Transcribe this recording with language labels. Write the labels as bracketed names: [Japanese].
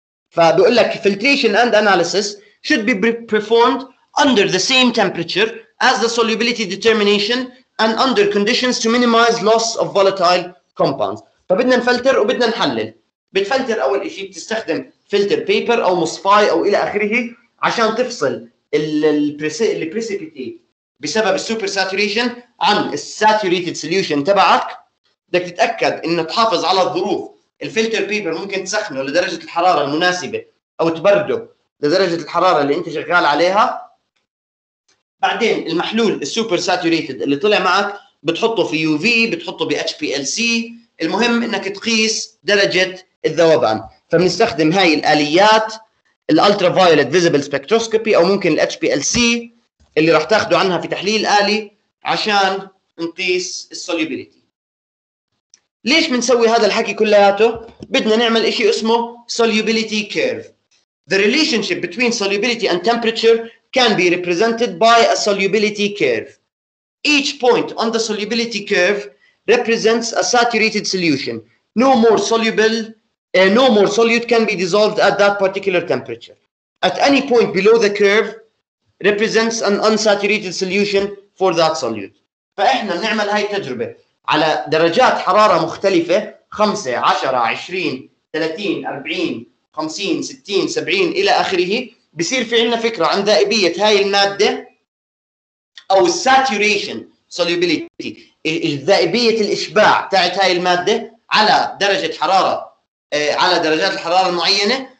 [Arabic] فبيقول لك [English] filtration and analysis should be performed under the same temperature as the solubility determination and under conditions to minimize loss of volatile compounds. [Arabic] فبدنا نفلتر وبدنا نحلل. بتفلتر اول شيء بتستخدم فلتر بيبر او مصفاي او الى اخره عشان تفصل البريسيبيتي بسبب السوبر ساتوريشن عن الساتوريتد سوليوشن تبعك. بدك تتاكد انه تحافظ على الظروف. الفلتر بيبر ممكن تسخنه لدرجه الحراره المناسبه او تبرده لدرجه الحراره اللي انت شغال عليها. بعدين المحلول السوبر ساتوريتد اللي طلع معك بتحطه في يو في بتحطه ب اتش بي ال سي. المهم انك تقيس درجه الذوبان. فبنستخدم هاي الاليات الالترا فايولت فيزبل سبكتروسكوبي او ممكن الاتش بي ال سي اللي راح تاخده عنها في تحليل الي عشان نقيس السوليبيليتي. ليش بنسوي هذا الحكي كلياته؟ بدنا نعمل شيء اسمه سوليبيليتي كيرف. [English] The relationship between solubility and temperature can be represented by a solubility curve. Each point on the solubility curve represents a saturated solution. No more soluble, no more solute can be dissolved at that particular temperature. At any point below the curve represents an unsaturated solution for that solute. [Arabic] فإحنا نعمل هاي التجربة على درجات حرارة مختلفة 5, 10, 20, 30, 40, 50, 60, 70 إلى آخره. بصير في عنا فكرة عن ذائبية هاي المادة أو saturation solubility الذائبية الإشباع تاعت هاي المادة على درجة حرارة على درجات الحرارة المعينة.